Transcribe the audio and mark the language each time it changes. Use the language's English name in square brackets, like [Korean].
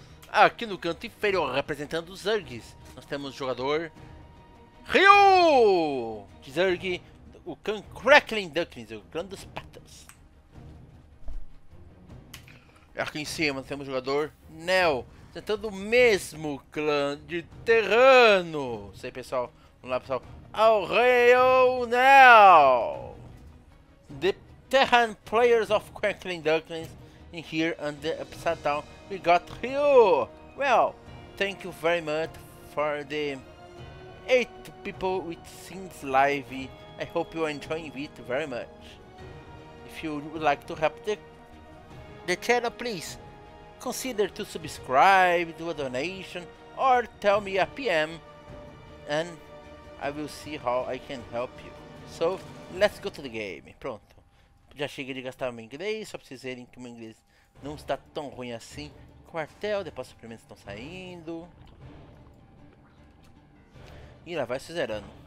[Portuguese] Aqui no canto inferior, representando os Zergs, nós temos o jogador Ryu de Zerg, o Khan Crackling Ducklings, o clã dos patas. Aqui em cima nós temos o jogador Neo, representando o mesmo clã de Terrano. Isso aí, pessoal. Vamos lá, pessoal. Ao Rei Neo! [English] The Terran players of Crackling Ducklings in here and the upside down, we got you! Well, thank you very much for the 8 people with Sims Live. I hope you are enjoying it very much. If you would like to help the channel, please consider to subscribe, do a donation, or tell me a PM and I will see how I can help you. So, let's go to the game. Pronto. [Portuguese] Já cheguei de gastar meu inglês, só pra vocês verem que o meu inglês não está tão ruim assim. Quartel, depois os suplementos estão saindo. E lá vai se zerando.